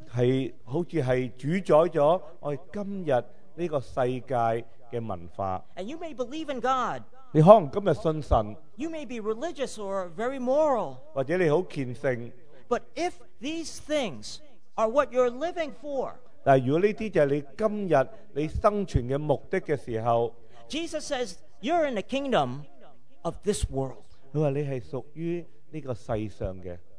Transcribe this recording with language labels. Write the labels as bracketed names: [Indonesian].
[Cantonese] 系好似系主宰咗我哋今日呢个世界嘅文化。 [English] And you may believe in God. [Cantonese] 你可能今日信神。 [English] You may be religious or very moral. [Cantonese] 或者你好虔诚。 [English] But if these things are what you're living for. [Cantonese] 但如果呢啲就系你今日你生存嘅目的嘅时候 [English] ，Jesus says you're in the kingdom of this world。 [Cantonese] 佢话你系属于呢个世上嘅。